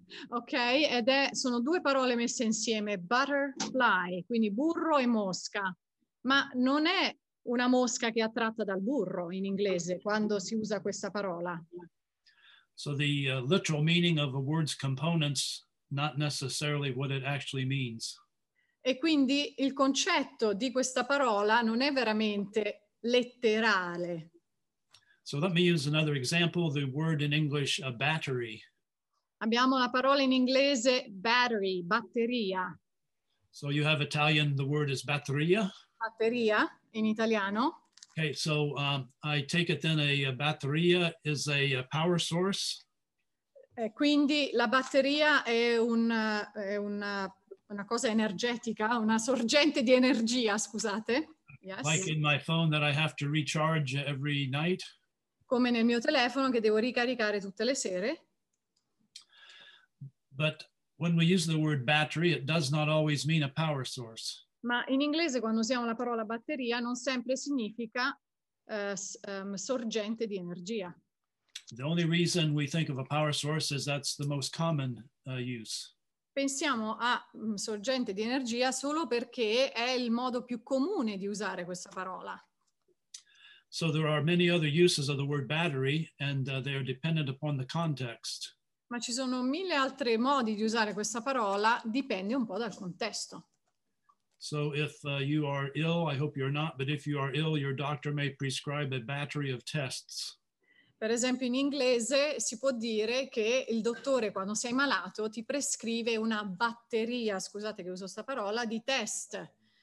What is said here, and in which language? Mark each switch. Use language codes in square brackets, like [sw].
[it] Ok, ed è sono due parole messe insieme, butterfly, quindi burro e mosca. Ma non è una mosca che è attratta dal burro in inglese quando si usa questa parola. [en] So the literal meaning of a word's components not necessarily what it actually means. [it] E quindi il concetto di questa parola non è veramente letterale. [en] So let me use another example, the word in English a battery. [it] Abbiamo la parola in inglese battery, batteria. [en] So you have Italian, the word is batteria. [it] Batteria in italiano. [en] Okay, so I take it then a batteria is a power source. [it] Quindi la batteria è una cosa energetica, una sorgente di energia, scusate. [en] Yes. Like in my phone that I have to recharge every night. [it] Come nel mio telefono che devo ricaricare tutte le sere. [en] But when we use the word battery, it does not always mean a power source. [it] Ma in inglese quando usiamo la parola batteria non sempre significa sorgente di energia. [en] The only reason we think of a power source is that's the most common use. [it] Pensiamo a sorgente di energia solo perché è il modo più comune di usare questa parola. [en] So there are many other uses of the word battery and they are dependent upon the context. [it] Ma ci sono mille altri modi di usare questa parola, dipende un po' dal contesto. [en] So if you are ill, I hope you're not, but if you are ill, your doctor may prescribe a battery of tests. [it] Per esempio in inglese si può dire che il dottore quando sei malato ti prescrive una batteria, scusate che uso sta parola, di test.